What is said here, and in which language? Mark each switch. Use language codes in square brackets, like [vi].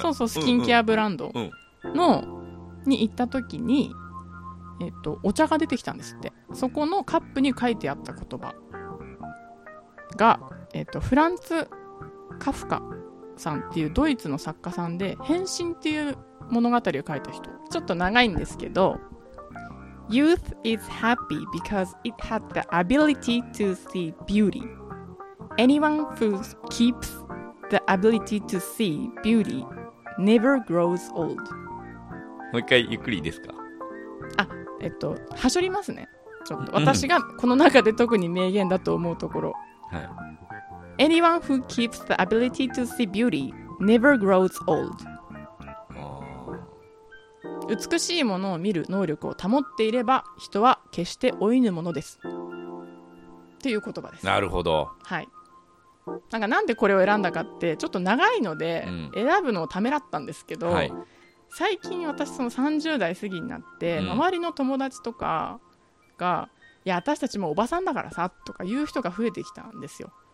[ja] そうそう、スキンケアブランドの、うんうん、に行った時に、お茶が出てきたんですって。そこのカップに書いてあった言葉が、フランツ・カフカさんっていうドイツの作家さんで、変身っていう物語を書いた人。ちょっと長いんですけど、 [en] Youth is happy because it had the ability to see beauty. Anyone who keeps the ability to see beauty never grows old. [ja] もう一回ゆっくりですか。あ、はしょりますね。ちょっと私がこの中で特に名言だと思うところ。はい。 [en] Anyone who keeps the ability to see beauty never grows old. [ja] あ、美しいものを見る能力を保っていれば、人は決して老いぬものです。っていう言葉です。なるほど。はい。なんかなんでこれを選んだかってちょっと長いので選ぶのをためらったんですけど、うん、最近私その30代過ぎになって周りの友達とかが、うん、いや私たちもおばさんだからさとか言う人が増えてきたんですよ。